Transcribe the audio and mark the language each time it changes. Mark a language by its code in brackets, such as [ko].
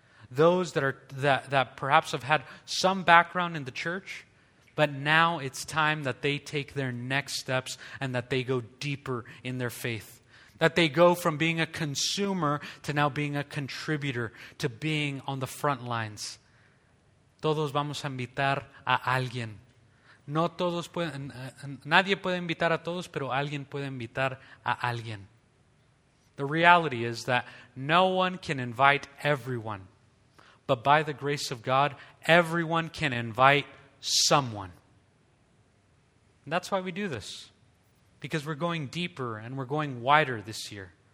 [en] Those that perhaps have had some background in the church, but now it's time that they take their next steps and that they go deeper in their faith. That they go from being a consumer to now being a contributor, to being on the front lines. [es] Todos vamos a invitar a alguien. No todos pueden, nadie puede invitar a todos, pero alguien puede invitar a alguien. [en] The reality is that no one can invite everyone. But by the grace of God, everyone can invite someone. And that's why we do this. Because we're going deeper and we're going wider this year.